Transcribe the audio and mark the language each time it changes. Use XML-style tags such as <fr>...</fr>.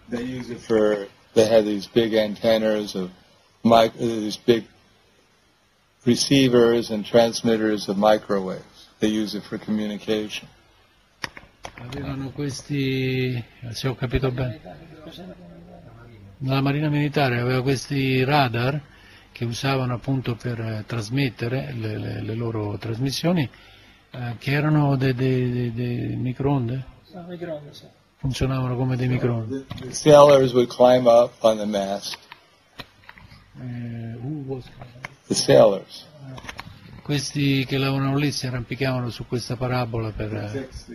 <en>They use it for, they have these big antennas of these big receivers and transmitters of microwaves. They use it for communication.</en> <it>Avevano questi, se ho capito bene, la Marina Militare aveva questi radar che usavano appunto per trasmettere le loro trasmissioni. Che erano dei microonde? Funzionavano come dei microonde.</it> <en>The sailors would climb up on the mast. Who was? The sailors.</en> <it>Questi che lavoravano lì si arrampicavano su questa parabola per</it>